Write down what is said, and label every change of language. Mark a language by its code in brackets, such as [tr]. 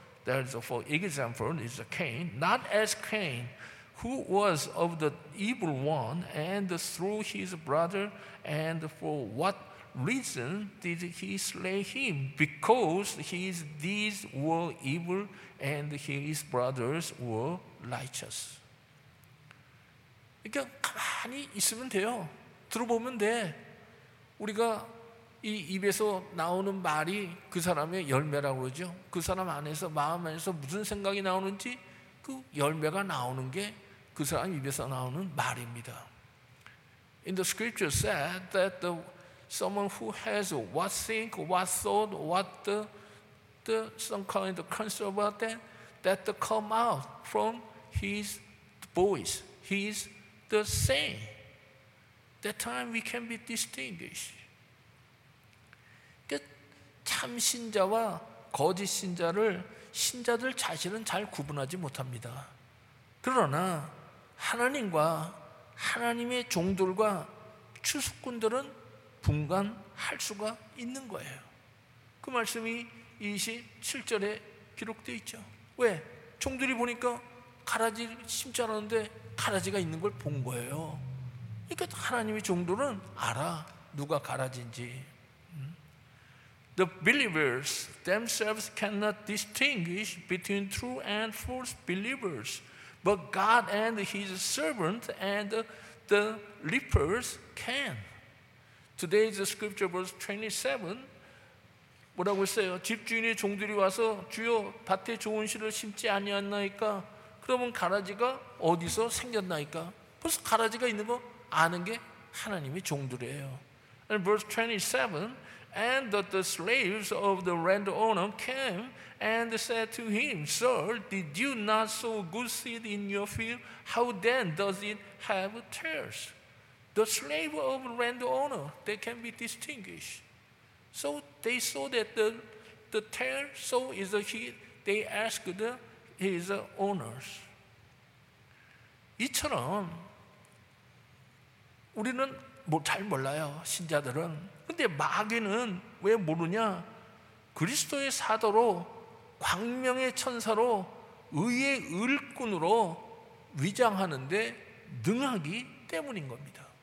[en] Therefore, example is Cain, not as Cain, who was of the evil one and slew his brother, and for what reason did he slay him? Because his deeds were evil and his brothers were righteous. [ko] 그러니까 가만히 있으면 돼요. 들어보면 돼. 우리가 이 입에서 나오는 말이 그 사람의 열매라고 그러죠. 그 사람 안에서 마음 안에서 무슨 생각이 나오는지 그 열매가 나오는 게 그 사람 입에서 나오는 말입니다. [en] In the scripture said that the someone who has what think, what thought, what the some kind of concern about that the come out from his voice, his the saying. That time we can be distinguished. [ko] 참 신자와 거짓 신자를 신자들 자신은 잘 구분하지 못합니다. 그러나 하나님과 하나님의 종들과 추수꾼들은 분간할 수가 있는 거예요. 그 말씀이 27절에 기록되어 있죠. 왜? 종들이 보니까 가라지를 심지 않았는데 가라지가 있는 걸 본 거예요. 그러니까 하나님의 종들은 알아 누가 가라지인지. [en] The believers themselves cannot distinguish between true and false believers, but God and His servant and the reapers can. Today's scripture verse 27, [ko] 뭐라고 했어요? 집주인의 종들이 와서 주여 밭에 좋은 씨를 심지 아니었나이까? 그러면 가라지가 어디서 생겼나이까? 벌써 가라지가 있는 거 아는 게 하나님의 종들이에요. [en] And verse 27, And that the slaves of the landowner came and said to him, Sir, did you not sow good seed in your field? How then does it have tares? The slave of the landowner, they can be distinguished. So they saw that the tares, so is the heat, they asked his owners. [ko] 이처럼 우리는 뭐 잘 몰라요, 신자들은. 근데 마귀는 왜 모르냐? 그리스도의 사도로 광명의 천사로 의의 을꾼으로 위장하는데 능하기 때문인 겁니다.